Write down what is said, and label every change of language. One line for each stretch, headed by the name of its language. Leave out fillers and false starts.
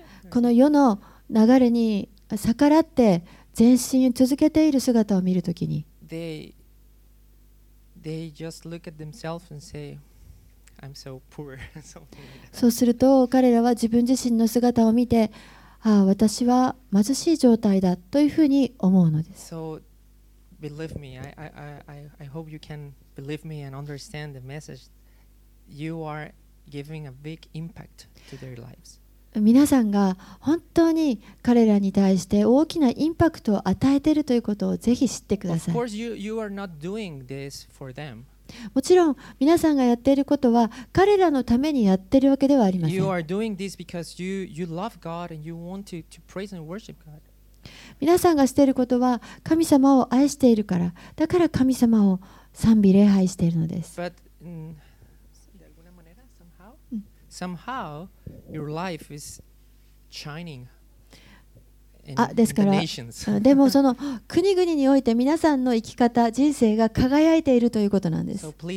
Japanese: この世の流れに逆らって前進を続けている姿を見るときに、
English: they just look at themselves and say,I'm so poor.
Japanese: そうすると彼らは自分自身の姿を見て、ああ私は貧しい状態だというふうに思うのです。
English: So believe me, I hope you can believe me and understand the message. You are giving a big impact to their lives.
Japanese: 皆さんが本当に彼らに対して大きなインパクトを与えているということをぜひ知ってください。
English: Of course, you are not doing this for them.
Japanese: もちろん皆さんがやっていることは彼らのためにやっているわけではありません。
English: You are doing this because you love God and you want to praise and worship God.
Japanese: 皆さんがしていることは神様を愛しているから、だから神様を賛美礼拝しているのです。
English: But
Spanish: de alguna manera,
English: somehow your life is shining.
Japanese: あ、ですから、でもその国々において皆さんの生き方、人生が輝いているということなんです。